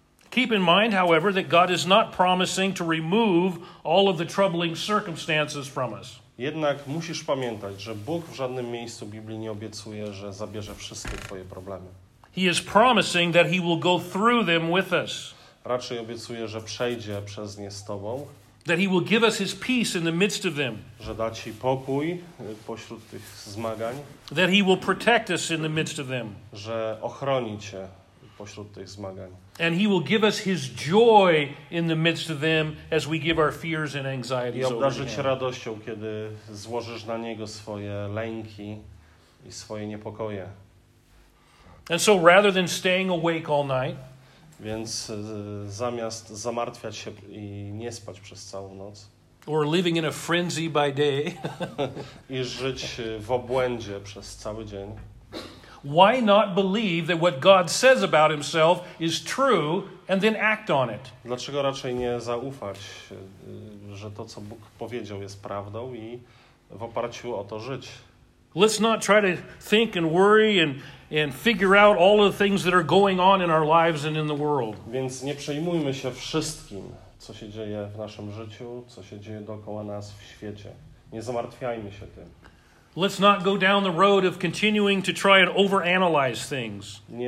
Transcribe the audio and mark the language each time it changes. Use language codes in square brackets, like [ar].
[en] Keep in mind, however, that God is not promising to remove all of the troubling circumstances from us. [pl] Jednak musisz pamiętać, że Bóg w żadnym miejscu Biblii nie obiecuje, że zabierze wszystkie twoje problemy. [en] He is promising that he will go through them with us. [pl] Raczej obiecuje, że przejdzie przez nie z tobą. [en] That he will give us his peace in the midst of them. [pl] Że da ci pokój pośród tych zmagań. [en] That he will protect us in the midst of them. [pl] Że ochroni cię pośród tych zmagań. [en] And he will give us his joy in the midst of them as we give our fears and anxieties over him. [pl] I obdarzy cię radością, kiedy złożysz na niego swoje lęki i swoje niepokoje. [en] And so rather than staying awake all night, [pl] więc zamiast zamartwiać się i nie spać przez całą noc, [en] or living in a frenzy by day, [pl] i żyć w obłędzie przez cały dzień, [en] why not believe that what God says about himself is true and then act on it? [pl] Dlaczego raczej nie zaufać, że to, co Bóg powiedział, jest prawdą i w oparciu o to żyć? [en] Let's not try to think and worry and figure out all the things that are going on in our lives and in the world. [pl] Więc nie przejmujmy się wszystkim, co się dzieje w naszym życiu, co się dzieje dookoła nas w świecie. Nie zamartwiajmy się tym. [en] Let's not go down the road of continuing to try and overanalyze things.